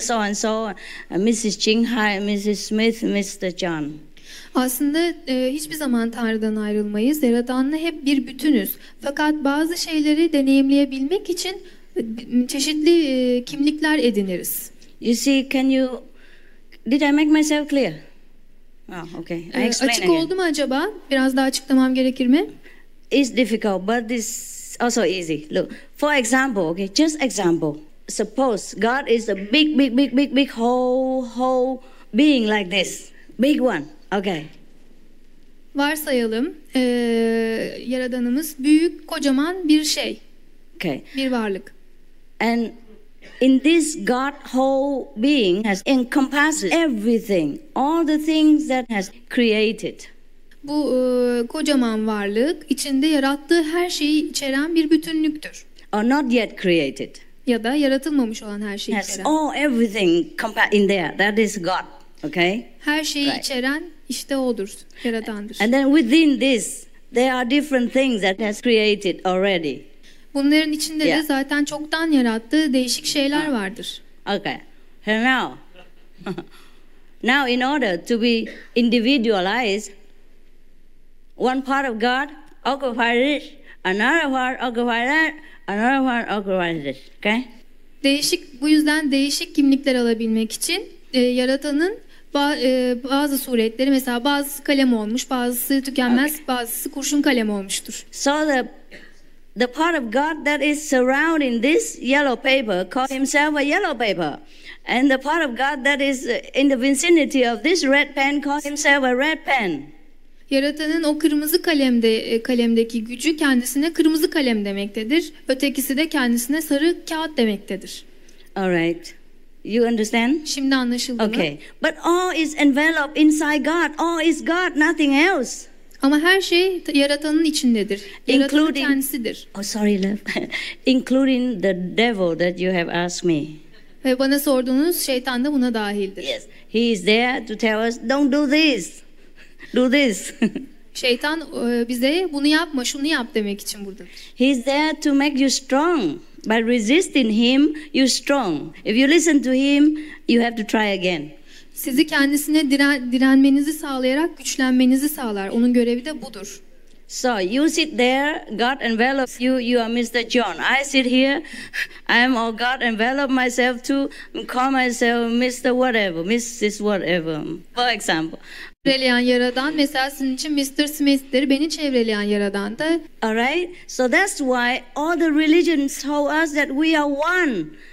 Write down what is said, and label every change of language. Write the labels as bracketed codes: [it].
[en] So and So, Mrs. Qinghai, Mrs. Smith, Mr. John. [tr] Aslında hiçbir zaman Tanrı'dan ayrılmayız. Yaradan'la hep bir bütünüz. Fakat bazı şeyleri deneyimleyebilmek için çeşitli kimlikler ediniriz. [en] You see, can you? Did I make myself clear? Oh, okay. I explain [tr] açık [en] again. [tr] Oldu mu acaba? Biraz daha açıklamam gerekir mi? [en] It's difficult, but this. Also easy. Look, for example, okay, just example. Suppose God is a big whole being like this. Big one. Okay. [tr] Varsayalım, yaradanımız büyük, kocaman bir şey. [en] Okay. [tr] Bir varlık. [en] And in this God whole being has encompassed everything, all the things that has created. [tr] Bu kocaman varlık içinde yarattığı her şeyi içeren bir bütünlüktür. [en] Or not yet created. [tr] Ya da yaratılmamış olan her şeyi içeren. [en] Oh, everything compact in there. That is God. Okay? [tr] Her şeyi [en] right. [tr] İçeren işte odur. Yaradandır. [en] And then within this there are different things that has created already. [tr] Bunların içinde [en] yeah. [tr] De zaten çoktan yarattığı değişik şeyler vardır. [en] Okay. Here now. Now in order to be individualized, one part of God occupies this, another part occupies that, another part occupies this. Okay? [tr] Değişik, bu yüzden değişik kimlikler alabilmek için yaratanın bazı suretleri, mesela bazısı kalem olmuş, bazısı tükenmez, [en] okay, [tr] bazısı kurşun kalem olmuştur. [en] So the part of God that is surrounding this yellow paper calls himself a yellow paper. And the part of God that is in the vicinity of this red pen calls himself a red pen. [tr] Yaratanın o kırmızı kalemde, kalemdeki gücü kendisine kırmızı kalem demektedir. Ötekisi de kendisine sarı kağıt demektedir. [en] All right. You understand? [tr] Şimdi anlaşıldı mı? [en] Okay. But all is enveloped inside God. All is God, nothing else. [tr] Ama her şey yaratanın içindedir. Yaratanın kendisidir. [en] Oh sorry love. Including the devil that you have asked me. [tr] Ve bana sorduğunuz şeytan da buna dahildir. [en] Yes. He is there to tell us don't do this. Do this. [tr] Şeytan bize bunu yapma, şunu yap demek için buradadır. [en] He is there to make you strong. By resisting him, you strong. If you listen to him, you have to try again. [tr] Sizi kendisine direnmenizi sağlayarak güçlenmenizi sağlar. Onun görevi de budur. [en] So you sit there, God envelops you. You are Mr. John. I sit here, I am all God envelop myself to call myself Mr. Whatever, Mrs. Whatever. For example. [tr] Çevreleyen yaradan mesela sizin için Mr. Smith'tir. Beni çevreleyen yaradan da. [en] All right. So that's why all the religions tell us that we are one.